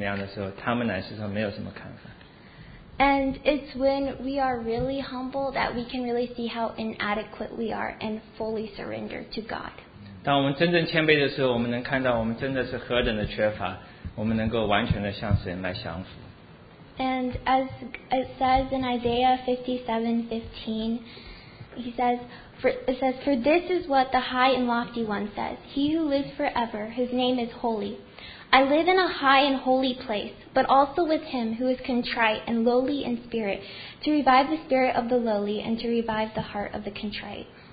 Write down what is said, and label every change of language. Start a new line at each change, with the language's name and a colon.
Chinese: 她告诉我们说，当你问一个真正的谦卑的人，他对自己的评价或者看法是怎么样的时候，他们乃是说没有什么看法。
English: And it's when we are really humble that we can really see how inadequate we are and fully surrender to God.
Chinese: 当我们真正谦卑的时候，我们能看到我们真的是何等的缺乏，我们能够完全的向神来降服。
English: And as it says in Isaiah 57:15, it says, for this is what the high and lofty one says, He who lives forever, His name is holy. I live in a high and holy place, but also with him who is contrite and lowly in spirit, to revive the spirit of the lowly and to revive the heart of the contrite.